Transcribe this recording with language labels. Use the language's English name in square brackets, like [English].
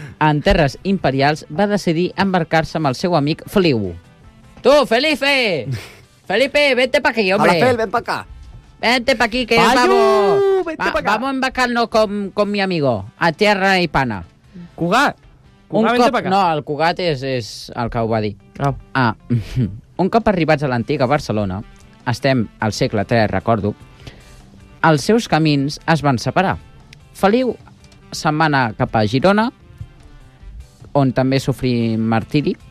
[Catalan] En terres imperials va decidir embarcar-se amb el seu amic Feliu. [Spanish] Tu, Felipe! Felipe, vente pa' aquí, hombre. Rafael, ven pa' acá. Vente pa' aquí, que es babo. Vamos a embarcarnos con mi amigo, a tierra y pana. Cugat. [Catalan] No, el Cugat és el que ho va dir. Oh. Ah. Un cop arribats a l'antiga Barcelona, estem al segle III, recordo, els seus camins es van separar. Feliu se'n va anar cap a Girona, on també sofrí martiri.